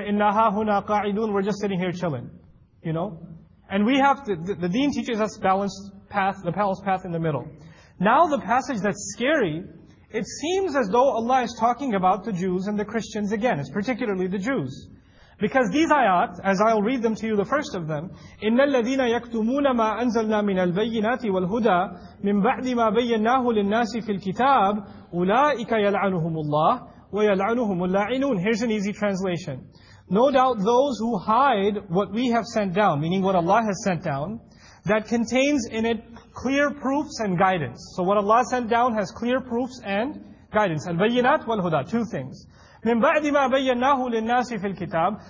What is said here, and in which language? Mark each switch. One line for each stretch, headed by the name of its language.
Arabic: Inna hahuna qa'idun.
English: We're just sitting here chilling. You know? And we have to, the deen teaches us balanced path, the balanced path in the middle. Now the passage that's scary, it seems as though Allah is talking about the Jews and the Christians again. It's particularly the Jews. Because these ayat, as I'll read them to you, the first of them,
Arabic: إِنَّ الَّذِينَ يَكْتُمُونَ مَا أَنزَلْنَا مِنَ الْبَيِّنَاتِ وَالْهُدَىٰ مِنْ بَعْدِ مَا بَيَّنَّاهُ لِلنَّاسِ فِي الْكِتَابِ أُولَٰئِكَ يَلْعَنُهُمُ اللَّهِ وَيَلْعَنُهُمُ اللَّاعِنُونَ.
English: Here's an easy translation. No doubt those who hide what we have sent down, meaning what Allah has sent down, that contains in it clear proofs and guidance. So what Allah sent down has clear proofs and guidance.
Arabic: البينات والهدى,
English: two things.
Arabic: مِن بَعْدِ مَا بَيَّنَّاهُ لِلنَّاسِ فِي الْكِتَابِ.